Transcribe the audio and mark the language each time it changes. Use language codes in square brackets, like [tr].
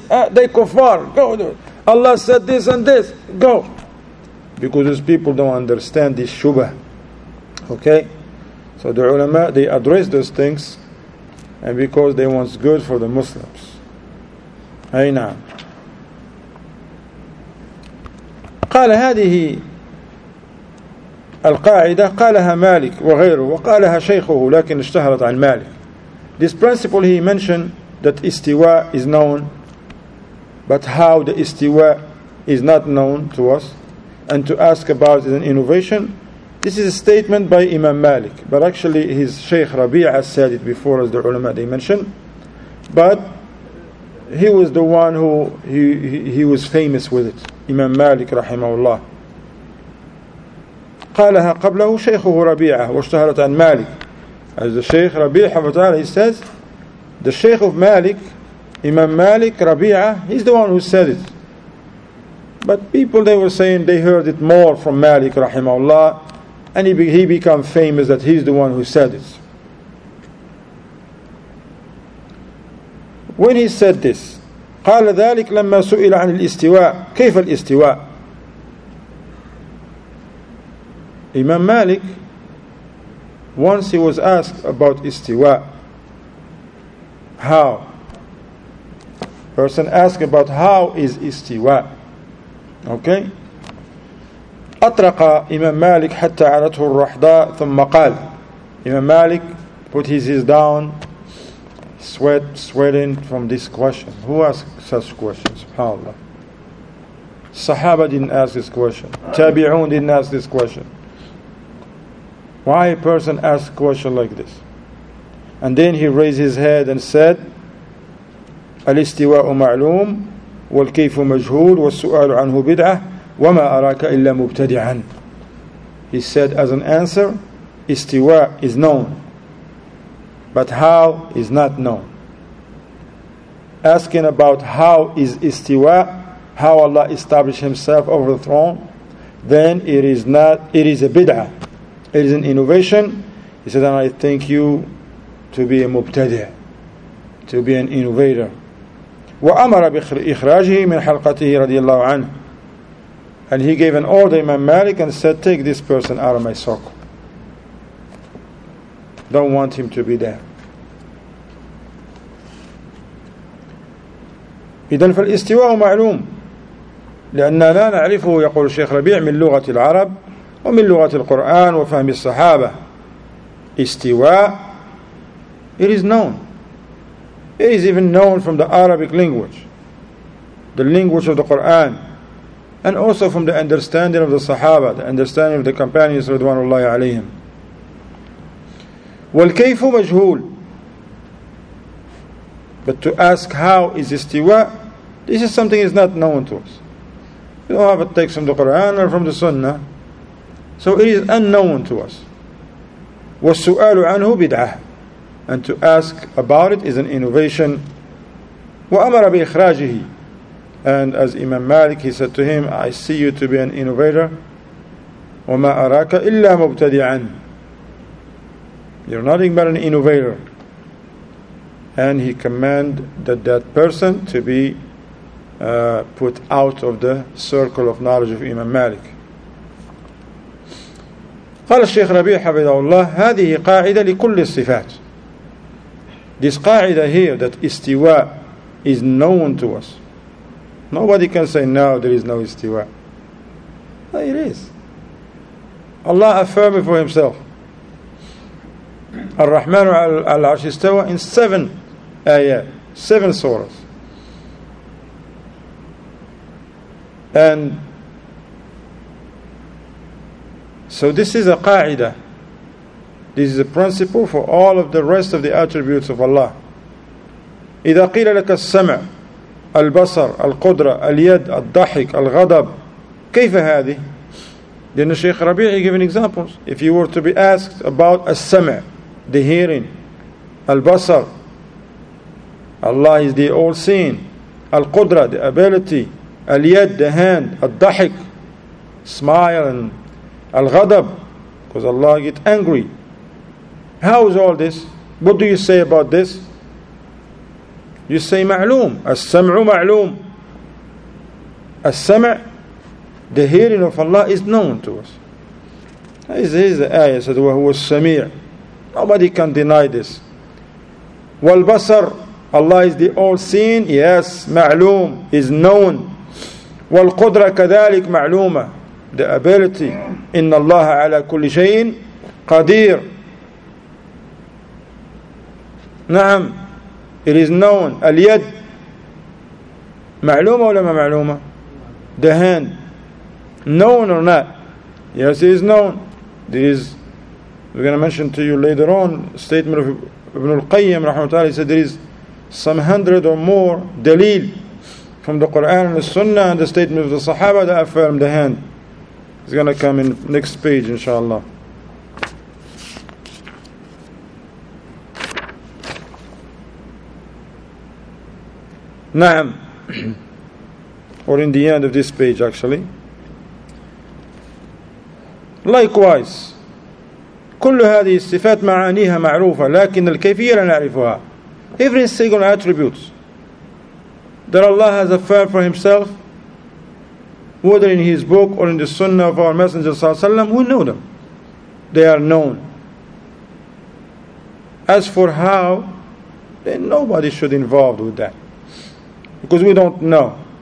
[en] They kuffar. Go do it. Allah said this and this. Go. Because these people don't understand this shubha. Okay? So the ulama, they address those things, and because they want good for the Muslims. [ar] Ayna. قال هذه القاعدة قالها مالك وغيره وقالها شيخه لكن اشتهرت عن مالك. [en] This principle he mentioned, that istiwa is known, but how the istiwa is not known to us, and to ask about is an innovation. This is a statement by Imam Malik, but actually his Shaykh Rabi'ah said it before, as the ulama they mentioned. But he was the one who he was famous with it, Imam Malik rahimahullah. [ar] قالها قبله شيخه ربيعه واشتهرت عن مالك. [en] As the Shaykh Rabi'ah he says, the Shaykh of Malik, Imam Malik Rabi'ah, he's the one who said it. But people, they were saying they heard it more from Malik rahimahullah. And he become famous that he's the one who said it. When he said this, [ar] قال ذلك لما سئل عن الاستواء كيف الاستواء. [en] Imam Malik, once he was asked about istiwa, how? Person asked about how is istiwa, okay? [ar] أطرق إمام مالك حتى عرته الرحضاء ثم قال. [en] إمام مالك put his ears down, sweating from this question. Who asked such questions? SubhanAllah. Sahaba didn't ask this question. Tabi'un didn't ask this question. Why a person asks a question like this? And then he raised his head and said, [ar] الاستواء معلوم والكيف مجهول والسؤال عنه بدعة وما أراك إلا مبتدعا. [en] He said as an answer, istiwa is known, but how is not known. Asking about how is istiwa, how Allah established Himself over the throne, then it is a bid'ah, it is an innovation. He said, and I think you to be a mubtadi', to be an innovator. [ar] وأمر بإخراجه من حلقته رضي الله عنه. [en] And he gave an order, Imam Malik, and said, take this person out of my circle. Don't want him to be there. [ar] إذن فالاستواء معلوم لأننا لا نعرفه, يقول الشيخ ربيع, من لغة العرب ومن لغة القرآن وفهم الصحابة. [en] استواء, it is known. It is even known from the Arabic language, the language of the Quran, and also from the understanding of the Sahaba, the understanding of the companions radwanullahi alayhim. [ar] وَالْكَيْفُ مَجْهُولُ. [en] But to ask how is istiwa, this is something that is not known to us. We don't have a text from the Quran or from the Sunnah, so it is unknown to us. [ar] وَالسُؤَالُ عَنْهُ بِدْعَةٌ. [en] And to ask about it is an innovation. [ar] وَأَمَرَ بِإِخْرَاجِهِ. [en] And as Imam Malik, he said to him, I see you to be an innovator. [ar] وَمَا أَرَاكَ إِلَّا مُبْتَدِعًا. [en] You're nothing but an innovator. And he commanded that person to be put out of the circle of knowledge of Imam Malik. [ar] قال الشيخ ربيع حفظه الله هذه قاعدة لكل الصفات. [en] This قاعدة here that استواء is known to us. Nobody can say now there is no استواء. No, it is. Allah affirmed for himself. [ar] الرحمن على العرش استوى [en] in seven [ar] آيات, [en] seven surahs. And so this is a qa'ida. This is a principle for all of the rest of the attributes of Allah. [ar] إذا قيل لك السمع البصر القدرة اليد الضحك الغضب كيف هذه؟ [en] Then Sheikh Rabi'i giving examples. If you were to be asked about السمع, the hearing, البصر, Allah is the all-seeing, القدرة, the ability, اليد, the hand, الضحك, smile, and الغضب, because Allah get angry. How is all this? What do you say about this? You say [ar] معلوم, السمع معلوم. [en] السمع, the hearing of Allah is known to us. This is the ayah, said, [ar] وهو السميع. [en] Nobody can deny this. والبصر, Allah is the all-seeing, yes, معلوم, is known. [ar] والقدرة كذلك معلومة, [en] the ability, [ar] إن الله على كل شيء قدير. [en] نعم, it is known. اليد, [ar] معلومة ولا ما معلومة؟ [en] The hand, known or not? Yes, it is known. This is, we're going to mention to you later on, statement of Ibn al-Qayyim, rahmatullahi, he said there is some hundred or more dalil from the Quran and the Sunnah and the statement of the Sahaba that affirm the hand. It's going to come in next page, inshallah. Naam. Or in the end of this page, actually. Likewise, [ar] كل هذه الصفات معانيها معروفة لكن الكيفية لا نعرفها. [en] Every single attributes that Allah has affirmed for himself, whether in his book or in the sunnah of our messenger sallallahu alaihi wasallam, we know them. They are known. As for how, then nobody should be involved with that, because we don't know.